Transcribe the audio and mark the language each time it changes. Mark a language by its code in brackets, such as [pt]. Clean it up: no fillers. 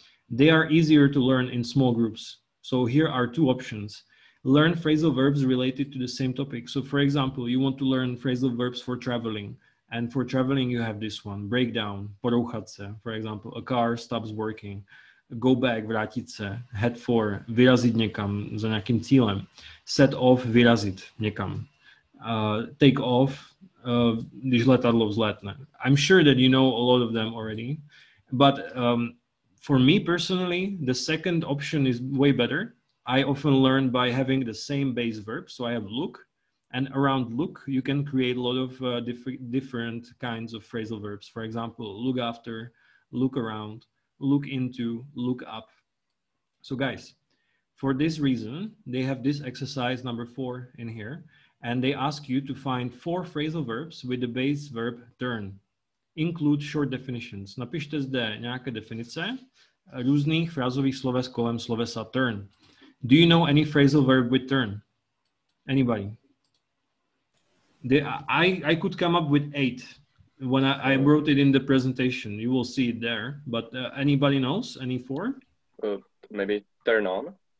[en] They are easier to learn in small groups. So here are two options. Learn phrasal verbs related to the same topic. So for example, you want to learn phrasal verbs for traveling. And for traveling, you have this one, breakdown, [cs] porouchat se, [en] for example, a car stops working. Go back, [cs] vrátit se, [en] head for, [cs] vyrazit někam, za nějakým cílem. [en] Set off, [cs] vyrazit někam. [en] Take off, [cs] když letadlo vzletne. [en] I'm sure that you know a lot of them already. But for me personally, the second option is way better. I often learn by having the same base verb. So I have look And around look, you can create a lot of different kinds of phrasal verbs. For example, look after, look around, look into, look up. So guys, for this reason, they have this exercise number 4 in here, and they ask you to find 4 phrasal verbs with the base verb turn. Include short definitions. [cs] Napište zde nějaké definice různých frázových sloves kolem slovesa turn. [en] Do you know any phrasal verb with turn? Anybody? I could come up with 8 when I wrote it in the presentation. You will see it there. But anybody knows any 4? Maybe turn on.